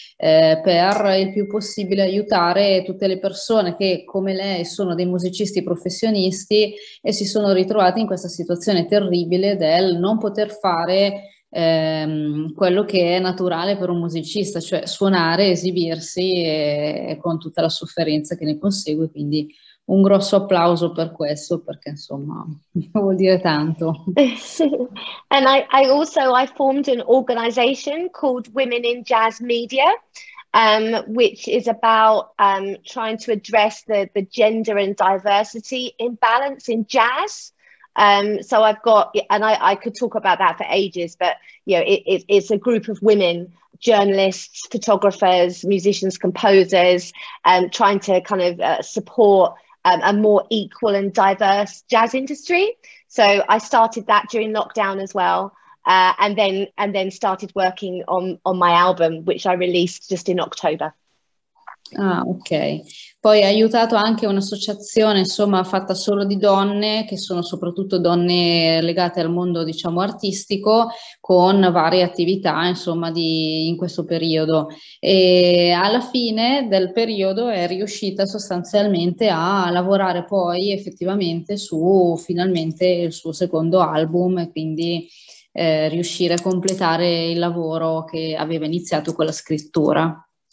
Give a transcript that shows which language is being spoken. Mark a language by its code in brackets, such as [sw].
[it] per il più possibile aiutare tutte le persone che come lei sono dei musicisti professionisti e si sono ritrovati in questa situazione terribile del non poter fare quello che è naturale per un musicista, cioè suonare, esibirsi e con tutta la sofferenza che ne consegue, quindi un grosso applauso per questo, perché insomma vuol dire tanto. [en] And I formed an organization called Women in Jazz Media, which is about trying to address the gender and diversity imbalance in jazz. So I've got, and I could talk about that for ages, but you know, it's a group of women, journalists, photographers, musicians, composers, trying to kind of support a more equal and diverse jazz industry. So I started that during lockdown as well, and then started working on my album, which I released just in October. Ah, ok. [it] Poi ha aiutato anche un'associazione, insomma, fatta solo di donne, che sono soprattutto donne legate al mondo, diciamo, artistico, con varie attività, insomma, in questo periodo. E alla fine del periodo è riuscita sostanzialmente a lavorare poi effettivamente su finalmente il suo secondo album e quindi riuscire a completare il lavoro che aveva iniziato con la scrittura.